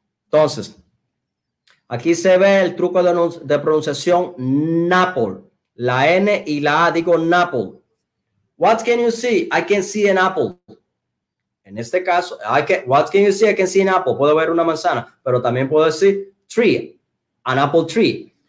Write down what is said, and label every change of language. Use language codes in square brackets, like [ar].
[es] Entonces, aquí se ve el truco de pronunciación Napple. La N y la A, digo Napple. [en] What can you see? I can see an apple. [es] En este caso, [en] what can you see? I can see an apple. [es] Puedo ver una manzana, pero también puedo decir [en] tree, an apple tree.